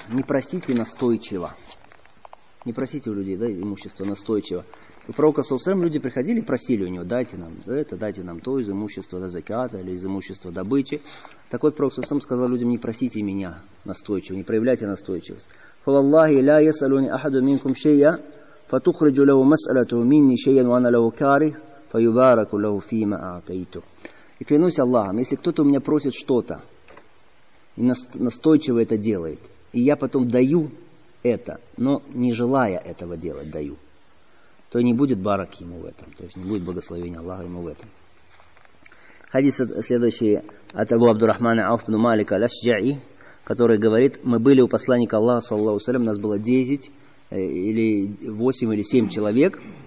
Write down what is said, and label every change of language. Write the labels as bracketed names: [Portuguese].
[Russian] Не просите настойчиво. Не просите у людей, да, имущество настойчиво. У пророка, саллаллаху, люди приходили и просили у него, дайте нам это, дайте нам то, из имущества, да, закята, или из имущества добычи. Так вот, пророк, саллаллаху, сказал людям, не просите меня настойчиво, не проявляйте настойчивость. [Arabic] فوالله لا يسألني أحد منكم شيئا فتخرج له مسألته مني شيئا وأنا له كاره فيبارك له فيما أعطيته. [Russian] И клянусь Аллахом, если кто-то у меня просит что-то, и настойчиво это делает, и я потом даю это, но не желая этого делать, даю, то не будет барак ему в этом, то есть не будет благословения Аллаха ему в этом. Хадис следующий от Абу Абдурахмана Ауф бин Малика Аль-Ашджаи, который говорит, мы были у посланника Аллаха, саллаллаху алейхи ва саллям, нас было 10 или 8 или 7 человек.